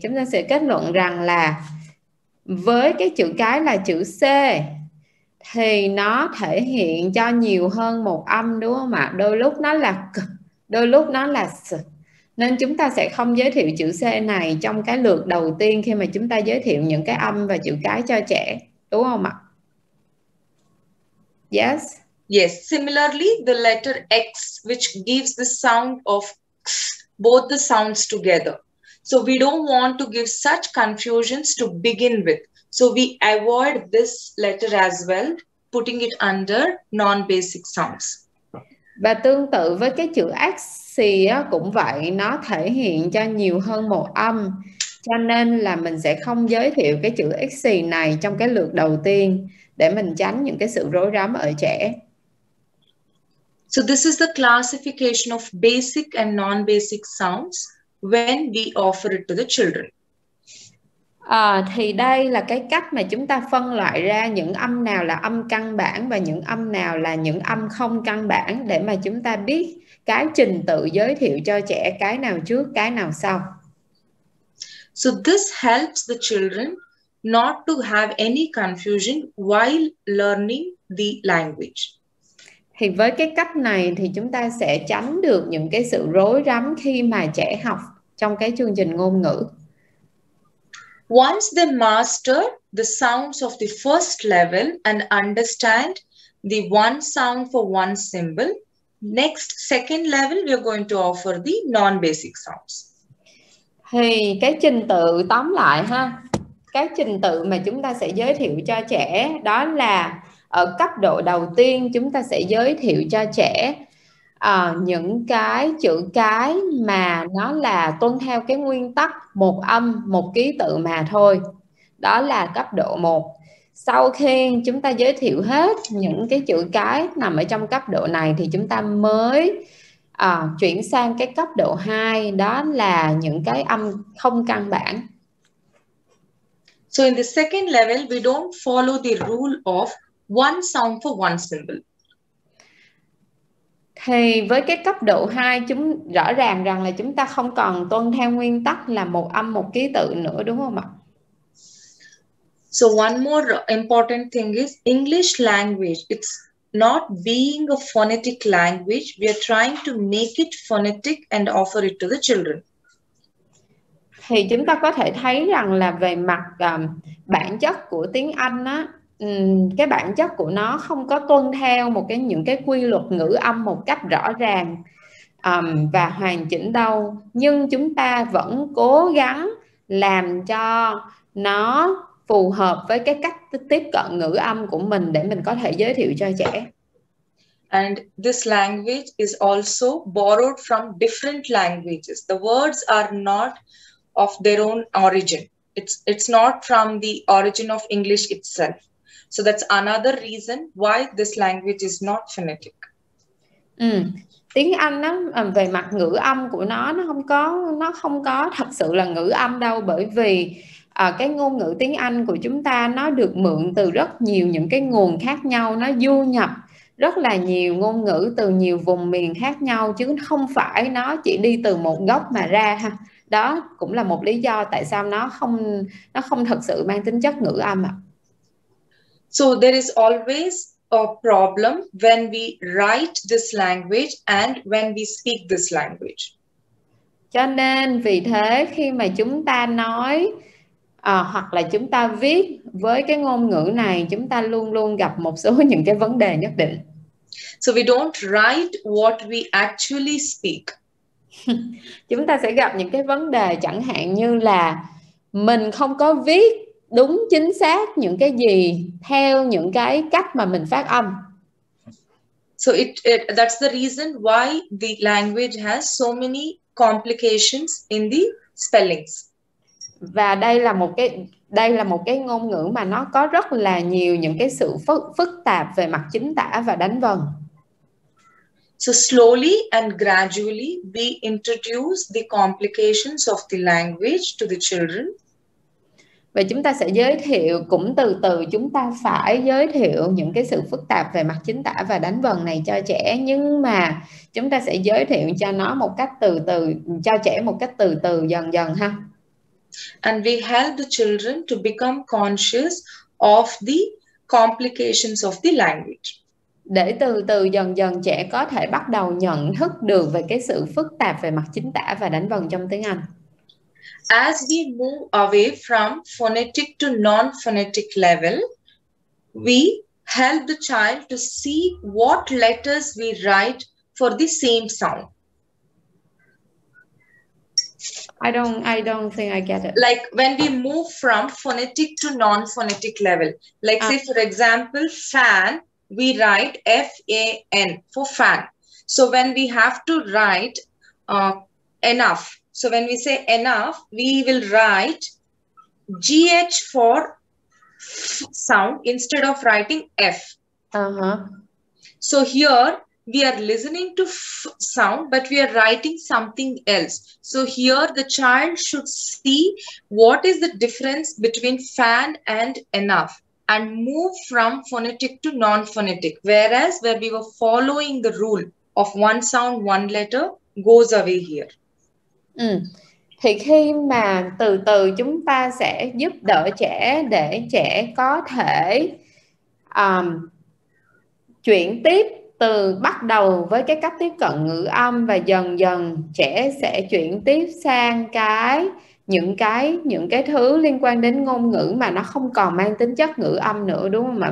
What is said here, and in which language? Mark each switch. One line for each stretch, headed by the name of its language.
Vietnamese: Chúng ta sẽ kết luận rằng là với cái chữ cái là chữ C thì nó thể hiện cho nhiều hơn một âm đúng không ạ? Đôi lúc nó là k, đôi lúc nó là s. Nên chúng ta sẽ không giới thiệu chữ C này trong cái lượt đầu tiên khi mà chúng ta giới thiệu những cái âm và chữ cái cho trẻ, đúng không ạ?
English: Yes. Yes, similarly the letter X which gives the sound of x, both the sounds together. So we don't want to give such confusions to begin with. So we avoid this letter as well, putting it under non-basic sounds.
Vietnamese: Và tương tự với cái chữ X thì cũng vậy, nó thể hiện cho nhiều hơn một âm. Cho nên là mình sẽ không giới thiệu cái chữ X này trong cái lượt đầu tiên để mình tránh những cái sự rối rắm ở trẻ.
English: So this is the classification of basic and non-basic sounds when we offer it to the children.
Vietnamese: Thì đây là cái cách mà chúng ta phân loại ra những âm nào là âm căn bản và những âm nào là những âm không căn bản để mà chúng ta biết cái trình tự giới thiệu cho trẻ cái nào trước, cái nào sau.
English: So this helps the children not to have any confusion while learning the language.
Vietnamese: Thì với cái cách này thì chúng ta sẽ tránh được những cái sự rối rắm khi mà trẻ học trong cái chương trình ngôn ngữ.
English: Once they master the sounds of the first level and understand the one sound for one symbol, next second level we are going to offer the non-basic sounds.
Vietnamese: Thì cái trình tự tóm lại ha, cái trình tự mà chúng ta sẽ giới thiệu cho trẻ đó là ở cấp độ đầu tiên chúng ta sẽ giới thiệu cho trẻ những cái chữ cái mà nó là tuân theo cái nguyên tắc một âm, một ký tự mà thôi. Đó là cấp độ 1. Sau khi chúng ta giới thiệu hết những cái chữ cái nằm ở trong cấp độ này thì chúng ta mới chuyển sang cái cấp độ 2, đó là những cái âm không căn bản.
English: So in the second level, we don't follow the rule of one sound for one symbol.
Vietnamese: Thì với cái cấp độ 2 chúng rõ ràng rằng là chúng ta không còn tuân theo nguyên tắc là một âm một ký tự nữa đúng không ạ?
English: So one more important thing is English language. It's not being a phonetic language. We are trying to make it phonetic and offer it to the children.
Vietnamese: Thì chúng ta có thể thấy rằng là về mặt bản chất của tiếng Anh á, cái bản chất của nó không có tuân theo một cái những cái quy luật ngữ âm một cách rõ ràng và hoàn chỉnh đâu, nhưng chúng ta vẫn cố gắng làm cho nó phù hợp với cái cách tiếp cận ngữ âm của mình để mình có thể giới thiệu cho trẻ.
English: And this language is also borrowed from different languages. The words are not of their own origin. It's not from the origin of English itself. So that's another reason why this language is not phonetic. Ừ.
Vietnamese: Tiếng Anh đó, về mặt ngữ âm của nó không có thật sự là ngữ âm đâu, bởi vì cái ngôn ngữ tiếng Anh của chúng ta nó được mượn từ rất nhiều những cái nguồn khác nhau, nó du nhập rất là nhiều ngôn ngữ từ nhiều vùng miền khác nhau, chứ không phải nó chỉ đi từ một gốc mà ra ha. Đó cũng là một lý do tại sao nó không thật sự mang tính chất ngữ âm ạ. À.
English: So there is always a problem when we write this language and when we speak this language.
Vietnamese: Cho nên vì thế khi mà chúng ta nói hoặc là chúng ta viết với cái ngôn ngữ này, chúng ta luôn luôn gặp một số những cái vấn đề nhất định.
English: So we don't write what we actually speak.
Vietnamese: Chúng ta sẽ gặp những cái vấn đề chẳng hạn như là mình không có viết đúng chính xác những cái gì theo những cái cách mà mình phát âm.
English: So that's the reason why the language has so many complications in the spellings.
Vietnamese: Và đây là một cái ngôn ngữ mà nó có rất là nhiều những cái sự phức tạp về mặt chính tả và đánh vần.
English: Slowly and gradually we introduce the complications of the language to the children.
Vietnamese: Và chúng ta sẽ giới thiệu, cũng từ từ chúng ta phải giới thiệu những cái sự phức tạp về mặt chính tả và đánh vần này cho trẻ, nhưng mà chúng ta sẽ giới thiệu cho nó một cách từ từ, cho trẻ một cách từ từ dần dần ha.
English: And we help the children to become conscious of the complications of the language.
Vietnamese: Để từ từ dần dần trẻ có thể bắt đầu nhận thức được về cái sự phức tạp về mặt chính tả và đánh vần trong tiếng Anh.
English: As we move away from phonetic to non-phonetic level, we help the child to see what letters we write for the same sound. I don't think I get it. Like when we move from phonetic to non-phonetic level, like say for example, fan, we write F-A-N for fan. So when we have to write enough, so when we say enough, we will write G-H for f sound instead of writing F. So here, we are listening to f sound, but we are writing something else. So here the child should see what is the difference between fan and enough and move from phonetic to non-phonetic. Whereas where we were following the rule of one sound, one letter goes away here. Ừ.
Vietnamese: Thì khi mà từ từ chúng ta sẽ giúp đỡ trẻ để trẻ có thể chuyển tiếp từ bắt đầu với cái cách tiếp cận ngữ âm, và dần dần trẻ sẽ chuyển tiếp sang những cái thứ liên quan đến ngôn ngữ mà nó không còn mang tính chất ngữ âm nữa đúng không?